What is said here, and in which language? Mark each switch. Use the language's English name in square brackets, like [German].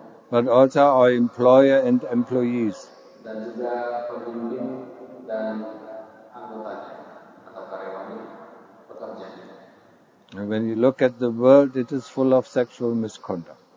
[English] but also our employer and employees. [Indonesian] Dan juga pemimpin dan anggotanya atau karyawannya, pekerjanya. [English] And when you look at the world, it is full of sexual misconduct.